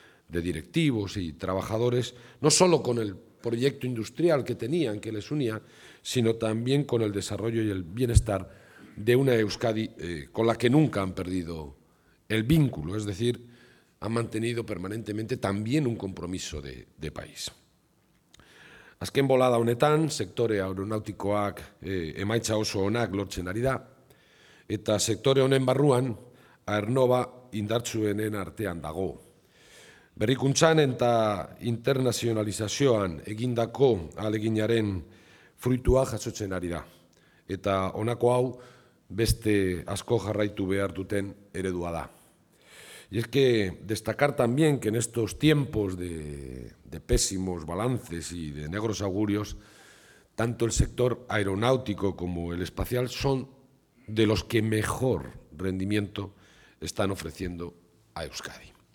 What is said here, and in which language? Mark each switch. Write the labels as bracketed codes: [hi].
[es] de directivos y trabajadores, no solo con el proyecto industrial que tenían, que les unía, sino también con el desarrollo y el bienestar de una Euskadi con la que nunca han perdido el vínculo, es decir, han mantenido permanentemente también un compromiso de país. [eu] Azken bolada honetan, sektore aeronautikoak emaitza oso onak lortzen ari da, eta sektore honen barruan, Aernnova indartsuenen artean dago. Berrikuntzan eta internazionalizazioan egindako aleginaren fruitua jasotzen ari da, eta honako hau beste asko jarraitu behar duten eredua da. [es] Y es que destacar también que en estos tiempos de pésimos balances y de negros augurios, tanto el sector aeronáutico como el espacial son de los que mejor rendimiento están ofreciendo a Euskadi.